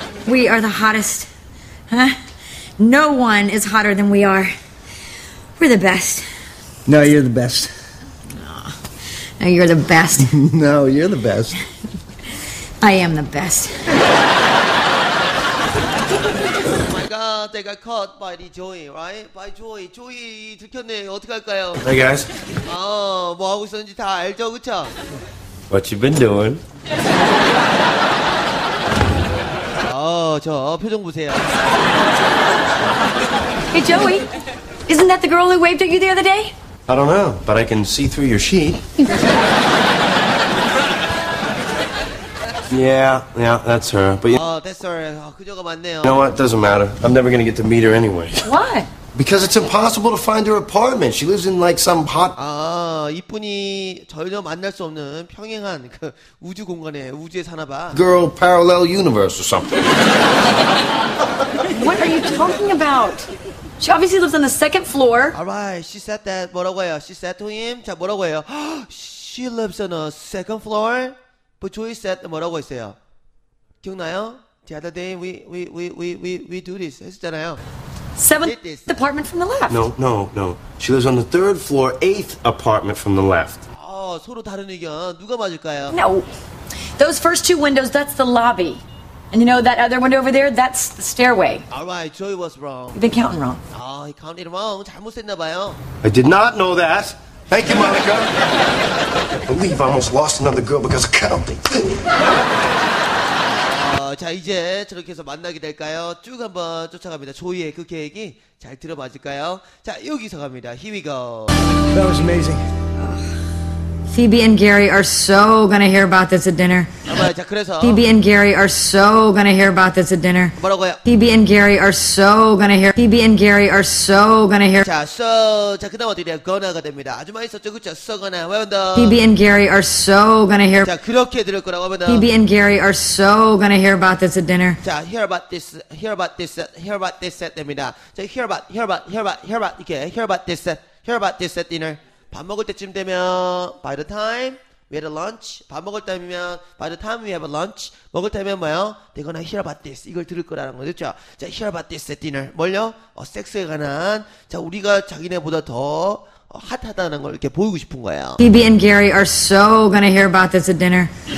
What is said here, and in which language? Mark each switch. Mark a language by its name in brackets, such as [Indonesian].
[English] We are the hottest. Huh? No one is hotter than we are. We're the best. No, you're the best. No, you're the best. No, you're the best. I am the best. Oh my god, they got caught by the Joey, right? By Joey. Joey [Korean] 들켰네. 어떻게 할까요? [English] Hey guys. [Korean] 뭐 하고 있었는지 다 알죠, 그쵸? [English] What you been doing? [Korean] 저 표정 보세요. [English] Hey Joey, isn't that the girl who waved at you the other day? I don't know, but I can see through your sheet. Yeah, that's her. But yeah. That's her. [Korean] 그녀가 맞네요. [English] You know what? It doesn't matter. I'm never gonna get to meet her anyway. Why? Because it's impossible to find her apartment. She lives in like some hot. [Korean] 아, 이분이 전혀 만날 수 없는 평행한 그 우주 공간에 우주에 사나 봐. [English] Girl, parallel universe or something. What are you talking about? She obviously lives on the second floor. Alright, she said that. [Korean] 뭐라고 해요? [English] She said to him. [Korean] 자, 뭐라고 해요? [English] She lives on the second floor. But Joey said [Korean] 뭐라고 했어요? 기억나요? [English] The other day we do this [Korean] 했잖아요. [English] Seventh apartment from the left. No. She lives on the third floor, eighth apartment from the left. [Korean] 서로 다른 의견. 누가 맞을까요? [English] No. Those first two windows, that's the lobby. And you know that other window over there? That's the stairway. Alright, Joey was wrong. You've been counting wrong. He counted wrong. [Korean] 잘못했나 봐요. [English] I did not know that. Thank you, Monica. I believe I almost lost another girl because of counting. [Korean] 자 이제 저렇게 해서 만나게 될까요? 쭉 한번 쫓아갑니다. 조이의 그 계획이 잘 들어맞을까요? 자 여기서 갑니다. [English] Here we go. That was amazing. Phoebe and Gary are so gonna hear about this at dinner. [Korean] 자 그래서 [English] Phoebe and Gary are so gonna hear about this at dinner. [Korean] 뭐라고요? [English] Phoebe and Gary are so gonna hear. Phoebe and Gary are so gonna hear. [Korean] 자 so 자 그다음 어떻게 돼요? Gonna가 됩니다. 아주 맛있었죠, 그렇죠? [English] So gonna. Well done. Phoebe and Gary are so gonna hear. [Korean] 자 그렇게 들을 거라고 하면 [English] Phoebe and Gary are so gonna hear about this at dinner. 자 hear about this at [Korean] 됩니다. [English] 자 hear about [Korean] 이렇게 [English] hear about this at dinner. [Korean] 밥 먹을 때쯤 되면 [English] by the time we had a lunch. [Korean] 밥 먹을 때면 [English] by the time we have a lunch. [Korean] 먹을 때면 뭐요? [English] They're gonna hear about this. [Korean] 이걸 들을 거라는 거죠. [English] 자, hear about this at dinner. [Korean] 뭘요? 섹스에 관한. 자, 우리가 자기네보다 더 핫하다는 걸 이렇게 보이고 싶은 거예요. [English] Phoebe and Gary are so gonna hear about this at dinner.